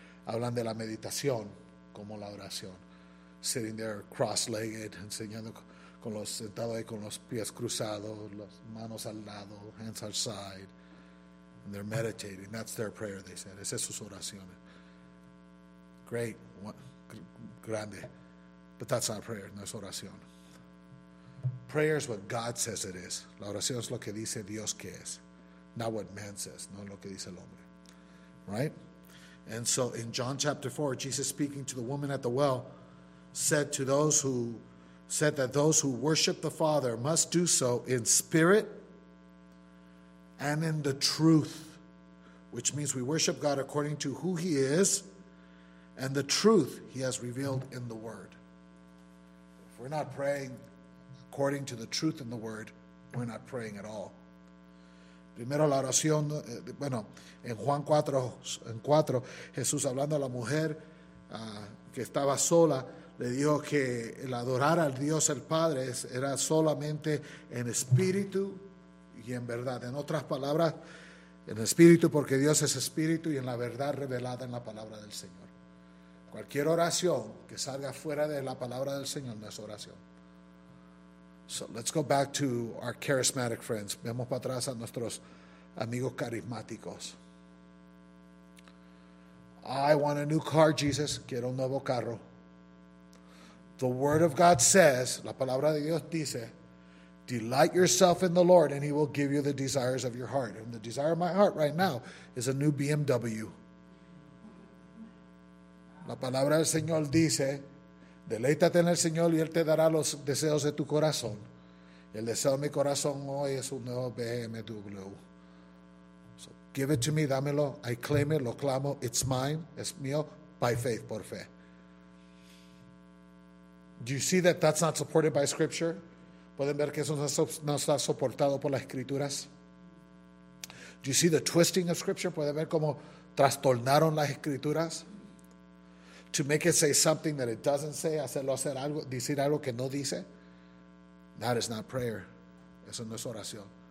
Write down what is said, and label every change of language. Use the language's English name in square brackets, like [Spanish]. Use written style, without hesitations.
[Spanish] Hablan de la meditación como la oración. [English] Sitting there cross-legged, [Spanish] enseñando con los sentado ahí con los pies cruzados, las manos al lado, [English] hands on side. And they're meditating. That's their prayer, they said. [Spanish] Esas sus oraciones. [English] Great. Grande. But that's not prayer. [Spanish] No es oración. [English] Prayer is what God says it is. [Spanish] La oración es lo que dice Dios que es. [English] Not what man says. [Spanish] No lo que dice el hombre. Right? [English] And so in John chapter 4, Jesus speaking to the woman at the well, said that those who worship the Father must do so in spirit and in the truth, which means we worship God according to who he is and the truth he has revealed in the word. If we're not praying according to the truth in the word, we're not praying at all. [Spanish] Primero la oración, bueno, en Juan 4, Jesús hablando a la mujer que estaba sola, le dijo que el adorar al Dios el Padre era solamente en espíritu y en verdad. En otras palabras, en espíritu porque Dios es espíritu y en la verdad revelada en la palabra del Señor. Cualquier oración que salga fuera de la palabra del Señor no es oración. [English] So let's go back to our charismatic friends. [Spanish] Vemos para atrás a nuestros amigos carismáticos. [English] I want a new car, Jesus. [Spanish] Quiero un nuevo carro. [English] The word of God says, [Spanish] la palabra de Dios dice, [English] delight yourself in the Lord and he will give you the desires of your heart. And the desire of my heart right now is a new BMW. [Spanish] La palabra del Señor dice, deleítate en el Señor y Él te dará los deseos de tu corazón. El deseo de mi corazón hoy es un nuevo BMW. [English] So give it to me, [Spanish] dámelo, [English] I claim it, [Spanish] lo clamo, [English] it's mine, [Spanish] es mío, [English] by faith, [Spanish] por fe. [English] Do you see that that's not supported by Scripture? [Spanish] ¿Pueden ver que eso no está soportado por las Escrituras? [English] Do you see the twisting of Scripture? [Spanish] ¿Pueden ver cómo trastornaron las Escrituras? [English] To make it say something that it doesn't say, [Spanish] hacerlo hacer algo, decir algo que no dice, [English] that is not prayer. [Spanish] Eso no es oración.